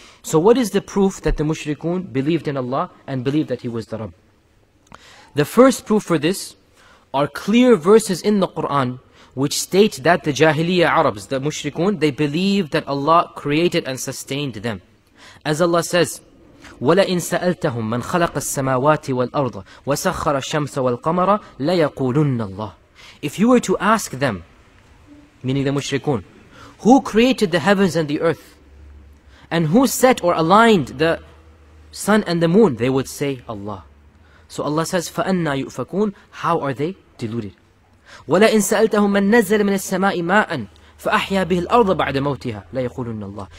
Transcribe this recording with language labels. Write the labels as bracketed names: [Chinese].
[English] So what is the proof that the mushrikun believed in Allah and believed that he was the Rabb? The first proof for this are clear verses in the Quran which state that the Jahiliyyah Arabs, the mushrikun, they believed that Allah created and sustained them. As Allah says, [Arabic] وَلَئِن سَأَلْتَهُم مَّنْ خَلَقَ السَّمَاوَاتِ وَالْأَرْضَ وَسَخَّرَ الشَّمْسَ وَالْقَمَرَ لَيَقُولُنَّ اللَّهُ. [English] If you were to ask them, meaning the mushrikun, who created the heavens and the earth, and who set or aligned the sun and the moon, they would say Allah. So Allah says, [Arabic] فَأَنَّا يُؤْفَكُونَ. [English] How are they deluded? [Arabic] وَلَئِن سَأَلْتَهُم مَّنْ نَزَّلَ مِنَ السَّمَاءِ مَاءً فَأَحْيَا بِهِ الْأَرْضَ بَعْدَ مَوْتِهَا لَيَقُولُنَّ اللَّهُ.